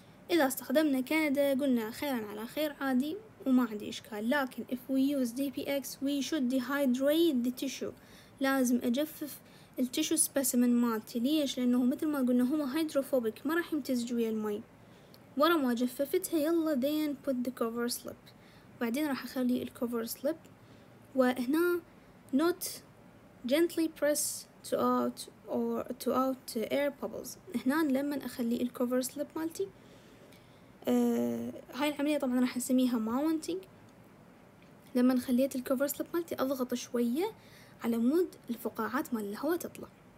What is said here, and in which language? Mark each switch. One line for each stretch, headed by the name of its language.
Arabic: اذا استخدمنا كندا قلنا خيرا على خير عادي وما عندي اشكال، لكن
English: if we use DPX we should dehydrate the tissue،
Arabic: لازم اجفف التشو سبيسيمن مالتي. ليش؟ لانه مثل ما قلنا هو هيدروفوبيك ما راح يمتزج ويا المي. ورا ما جففتها يلا
English: then put the cover slip،
Arabic: بعدين راح اخلي الكوفر سليب، وهنا
English: not gently press to out air bubbles.
Arabic: هنا لما اخلي الكوفر سليب مالتي هاي العملية طبعا راح نسميها mounting، لما خليت الكوفر سليب مالتي اضغط شوية على مود الفقاعات مال الهواء تطلع.